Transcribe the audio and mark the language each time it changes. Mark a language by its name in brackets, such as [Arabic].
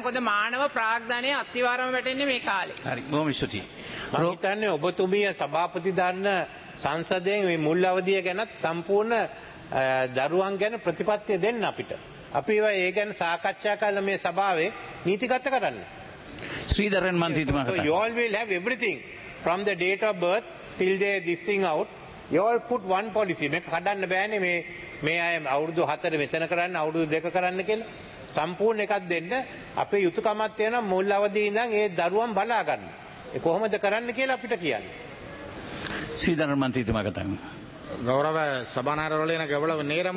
[Sinhala] මොකද මානව ප්‍රාග්ධනය අතිවාරම වැටෙන්නේ මේ කාලේ. හරි, බොහොම ස්තුතියි. මම හිතන්නේ ඔබතුමිය සභාපති දන්න සංසදයෙන් මේ මුල් අවධිය ගැනත් සම්පූර්ණ දරුවන් ගැන ප්‍රතිපත්තිය දෙන්න අපිට. අපි ඒවා ඒ ගැන සාකච්ඡා කරන මේ සභාවේ නීතිගත කරන්න. ශ්‍රීධරන් මන්ත්‍රීතුමා කතා. [English] You all will have everything from the date of birth till they this thing out. You all put one policy. [Sinhala] මේක හදන්න බෑනේ මේ අය අවුරුදු 4 මෙතන කරන්න, අවුරුදු 2 කරන්න කියලා සම්පූර්ණ එකක් දෙන්න. අපේ යුතුයකමක් තියෙනවා මුල් අවදී ඉඳන් ඒ දරුවන් බලා ගන්න. ඒ කොහොමද කරන්න කියලා අපිට කියන්න. ශ්‍රීධර මන්ත්‍රීතුමා කතා. ගෞරව සභානායකවරයා, [Tamil] එනක එවලව නේරම